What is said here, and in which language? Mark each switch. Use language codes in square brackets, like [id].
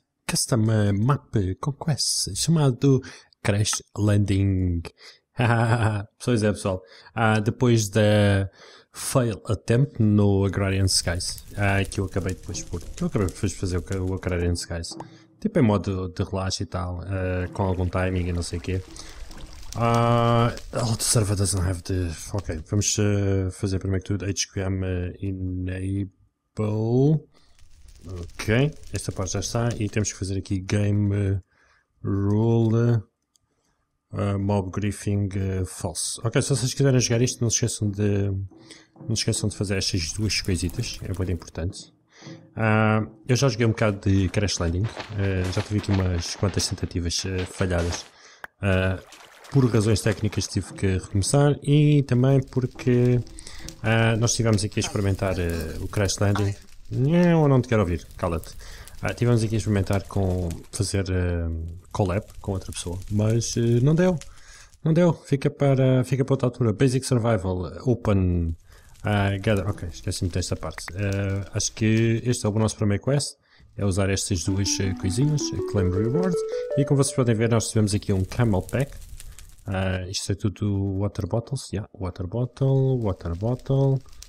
[pt] Custom map com quests, chamado Crash Landing. Pois é, pessoal. Depois da fail attempt no Agrarian Skies, que eu acabei depois de fazer o Agrarian Skies, tipo em modo de relaxo e tal, com algum timing e não sei o quê. [en] Oh, the server doesn't have the. [pt] Ok, vamos fazer primeiro que tudo HQM enable. Ok, esta parte já está. E temos que fazer aqui game rule mob griefing false. Ok, se vocês quiserem jogar isto, não se esqueçam de fazer estas duas coisitas, é muito importante. Eu já joguei um bocado de Crash Landing, já tive aqui umas quantas tentativas falhadas. Por razões técnicas tive que recomeçar e também porque nós estivemos aqui a experimentar o Crash Landing. Não, eu não te quero ouvir, cala-te. Estivemos aqui a experimentar com fazer collab com outra pessoa, mas não deu. Não deu, fica para outra altura. Basic Survival, Open, Gather. Ok, esqueci-me desta parte. Acho que este é o nosso primeiro quest. É usar estas duas coisinhas, Claim Reward. E como vocês podem ver, nós tivemos aqui um Camel Pack. Isto é tudo water bottles. [en] Yeah, water bottle, water bottle.